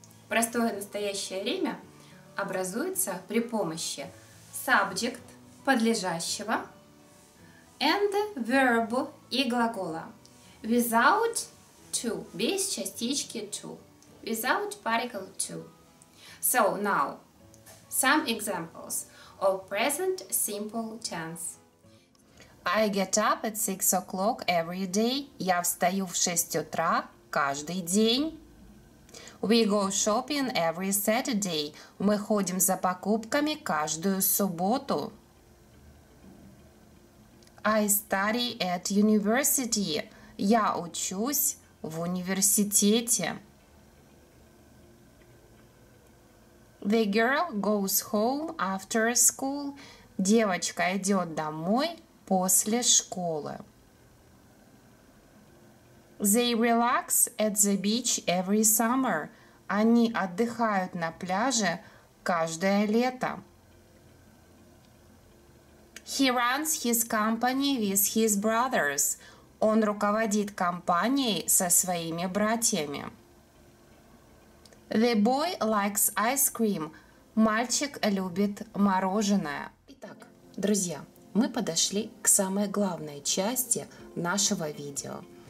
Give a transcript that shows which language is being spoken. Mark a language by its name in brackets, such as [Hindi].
[Russian] Простое настоящее время образуется при помощи subject – подлежащего [English] and verb [Russian] – и глагола [English] without to, [Russian] без частички to, [English] without particle to. So now, some examples of present simple tense. I get up at 6 o'clock every day. [Russian] Я встаю в 6 утра каждый день. [English] We go shopping every Saturday. [Russian] Мы ходим за покупками каждую субботу. [English] I study at university. [Russian] Я учусь в университете. [English] The girl goes home after school. [Russian] Девочка идет домой после школы. [English] They relax at the beach every summer. [Russian] Они отдыхают на пляже каждое лето. [English] He runs his company with his brothers. [Russian] Он руководит компанией со своими братьями. [English] The boy likes ice cream. [Russian] Мальчик любит мороженое. Итак, друзья, мы подошли к самой главной части нашего видео.